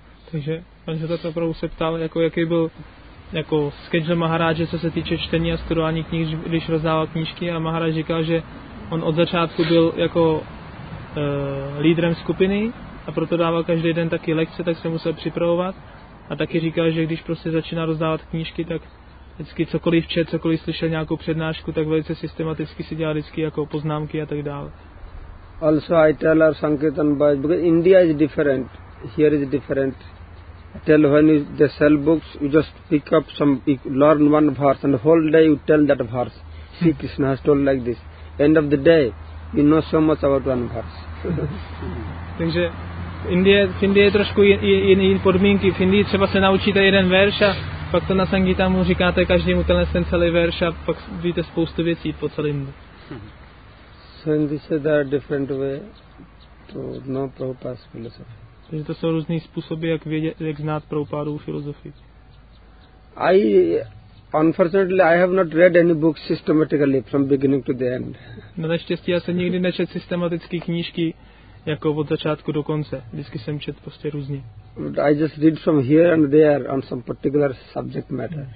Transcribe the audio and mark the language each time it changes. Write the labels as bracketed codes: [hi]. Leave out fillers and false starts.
[cs] Takže pan Zatata opravdu se ptal, jaký byl jako schedule Maharaje, co se týče čtení a studování knih, když rozdával knížky, a Maharaj říkal, že on od začátku byl jako lídrem skupiny a proto dával každý den taky lekce, tak se musel připravovat, a taky říkal, že když prostě začíná rozdávat knížky, tak vždycky cokoliv čet, cokoliv slyšel nějakou přednášku, tak velice systematicky si dělal vždycky jako poznámky a tak dále. [en] Also I tell our Sankirtan boys, because India is different, here is different. Tell when you, they sell books, you just pick up some, you learn one verse, and the whole day you tell that verse. See, Krishna has told like this. End of the day, you know so much about one verse. [cs] Takže v Indii je trošku jiné podmínky. V Indii třeba se naučíte jeden verš a pak to na Sangeetamu říkáte každému ten celý verš a pak víte spoustu věcí po celém. [en] So in this there are different way to know Prabhupada's philosophy. [cs] Takže to jsou různé způsoby, jak vědět, jak znát Prabhupádovu filozofii. [en] Unfortunately, I have not read any books systematically from beginning to the end. [cs] No, naštěstí já jsem nikdy nečet systematické knížky jako od začátku do konce. Vždycky jsem čet prostě různě. [en] I just read from here and there on some particular subject matter.